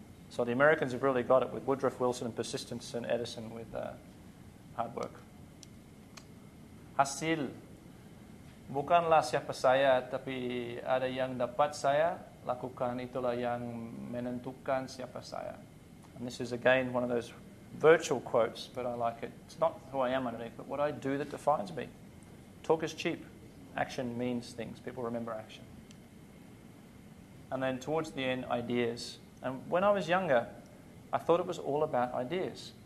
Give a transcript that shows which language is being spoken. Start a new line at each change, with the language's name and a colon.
English: So the Americans have really got it with Woodrow Wilson and persistence, and Edison with hard work.
Indonesian: Hasil. Bukanlah siapa saya, tapi ada yang dapat saya. Lakukan itulah yang menentukan siapa saya.
English: And this is again one of those virtual quotes, but I like it. It's not who I am underneath, but what I do that defines me. Talk is cheap. Action means things. People remember action. And then towards the end, ideas. And when I was younger, I thought it was all about ideas.